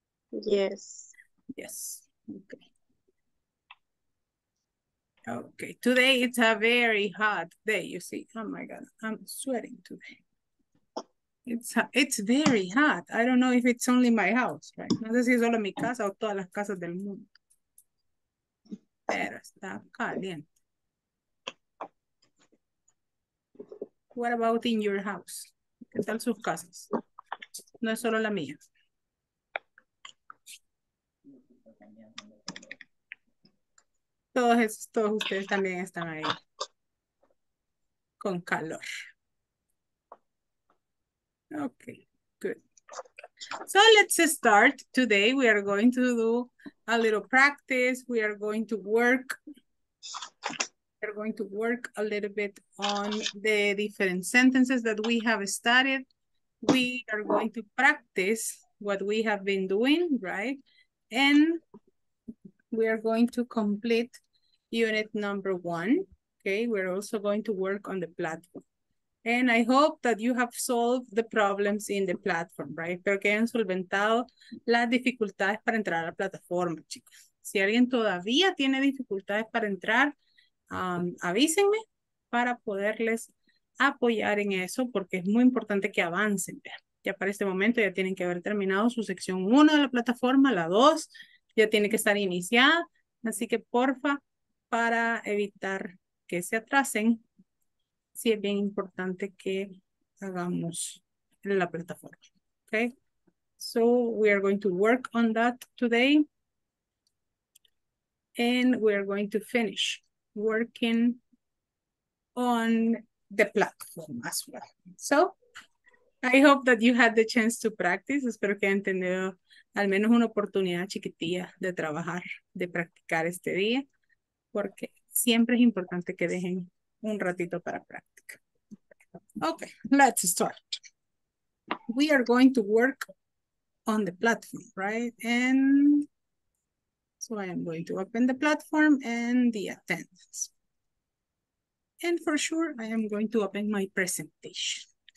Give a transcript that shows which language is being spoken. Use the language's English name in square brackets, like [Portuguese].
[English] Yes. Yes. Okay. Okay. Today it's a very hot day, you see. Oh my God, I'm sweating today. It's very hot. I don't know if it's only my house, right? [Spanish] No sé si solo mi casa o todas las casas del mundo. Pero está caliente. [English] What about in your house? [Spanish] ¿Qué tal sus casas? No es solo la mía. Todos ustedes también están ahí con calor. [English] Okay, good. So let's start. Today we are going to do a little practice. We are going to work. We are going to work a little bit on the different sentences that we have studied. We are going to practice what we have been doing, right? And we are going to complete unit number one. Okay, we're also going to work on the platform. And I hope that you have solved the problems in the platform, right? [Spanish] Pero que hayan solventado las dificultades para entrar a la plataforma, chicos. Si alguien todavía tiene dificultades para entrar, avísenme para poderles apoyar en eso, porque es muy importante que avancen. Ya para este momento ya tienen que haber terminado su sección 1 de la plataforma, la 2 ya tiene que estar iniciada. Así que porfa, para evitar que se atrasen, sí es bien importante que hagamos la plataforma. [English] Okay? So we are going to work on that today. And we are going to finish working on the platform as well. So I hope that you had the chance to practice. [Spanish] Espero que hayan tenido al menos una oportunidad chiquitilla de trabajar, de practicar este día, porque siempre es importante que dejen un ratito para práctica. [English] Okay, let's start. We are going to work on the platform, right? And so I am going to open the platform and the attendance. And for sure, I am going to open my presentation.